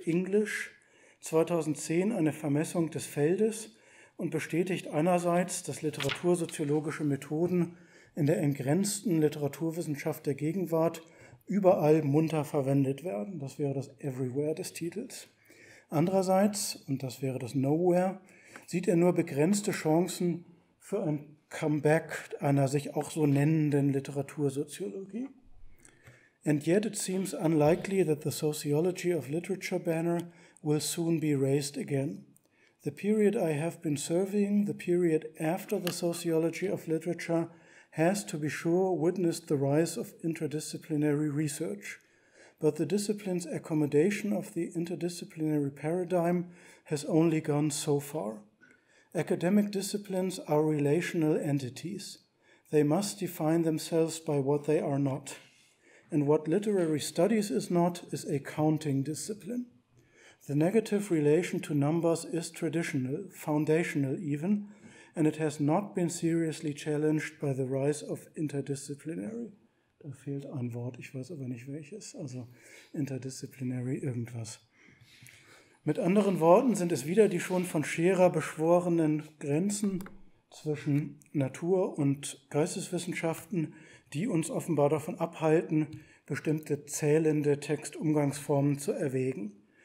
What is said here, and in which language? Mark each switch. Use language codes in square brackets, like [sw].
[de] English 2010 eine Vermessung des Feldes und bestätigt einerseits, dass literatursoziologische Methoden in der entgrenzten Literaturwissenschaft der Gegenwart überall munter verwendet werden. Das wäre das Everywhere des Titels. Andererseits, und das wäre das Nowhere, sieht er nur begrenzte Chancen für ein Comeback einer sich auch so nennenden Literatursoziologie. [en] And yet it seems unlikely that the sociology of literature banner will soon be raised again. The period I have been serving, the period after the sociology of literature, has to be sure witnessed the rise of interdisciplinary research. But the discipline's accommodation of the interdisciplinary paradigm has only gone so far. Academic disciplines are relational entities. They must define themselves by what they are not. And what literary studies is not is a counting discipline. The negative relation to numbers is traditional, foundational even, and it has not been seriously challenged by the rise of interdisciplinary. [de] Da fehlt ein Wort, ich weiß aber nicht welches, also interdisciplinary irgendwas. Mit anderen Worten sind es wieder die schon von Scherer beschworenen Grenzen zwischen Natur- und Geisteswissenschaften, die uns offenbar davon abhalten, bestimmte zählende Textumgangsformen zu erwägen.